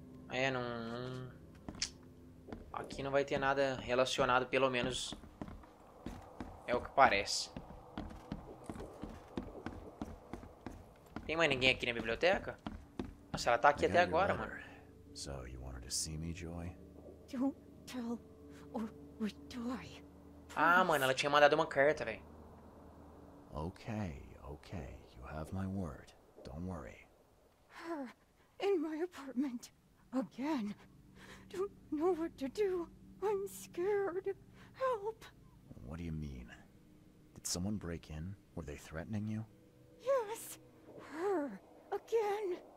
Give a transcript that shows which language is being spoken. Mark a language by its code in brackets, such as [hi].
[pt] É, não, não... Aqui não vai ter nada relacionado, pelo menos é o que parece. Tem mais ninguém aqui na biblioteca? Nossa, ela tá aqui até agora, mano. [en] So you wanted to see me, Joy? Don't tell or we die. [pt] Ah, mano, ela tinha mandado uma carta, velho. [en] Okay, okay. You have my word. Don't worry. Her in my apartment again. Don't know what to do. I'm scared. Help. What do you mean? Did someone break in? Were they threatening you? Yes. Her again.